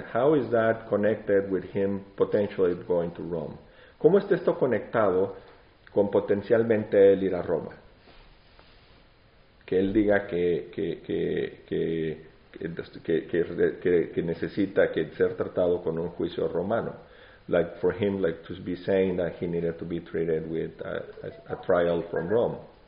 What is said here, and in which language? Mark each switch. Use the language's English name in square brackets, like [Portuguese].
[English] How is that connected with him potentially going to Rome? [Spanish] ¿Cómo está esto conectado con potencialmente él ir a Roma? Que él diga que necesita que ser tratado con un juicio romano. [English] Like for him, like to be saying that he needed to be treated with a trial from Rome.